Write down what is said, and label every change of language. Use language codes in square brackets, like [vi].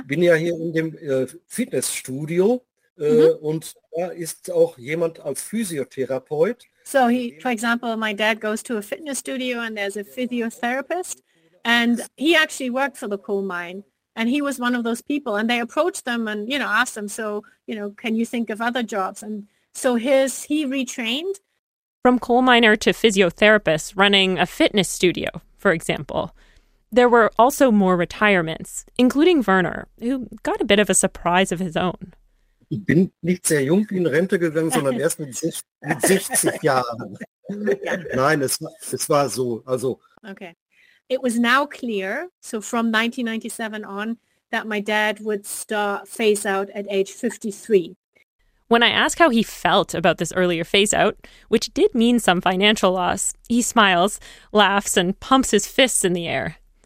[de] Ich bin ja hier in dem Fitnessstudio und da ist auch jemand als Physiotherapeut. [en] So, he, for example, my dad goes to a fitness studio and there's a physiotherapist and he actually worked for the coal mine. And he was one of those people, and they approached them and, you know, asked them, so, you know, can you think of other jobs? And so his, he retrained. From coal miner to physiotherapist running a fitness studio, for example. There were also more retirements, including Werner, who got a bit of a surprise of his own. [de] Ich bin nicht sehr jung in Rente gegangen, sondern erst mit 60 Jahren. Nein, es war so, also. [en] Okay. It was now clear, so from 1997 on, that my dad would start phase out at age 53. When I ask how he felt about this earlier phase out, which did mean some financial loss, he smiles, laughs, and pumps his fists in the air.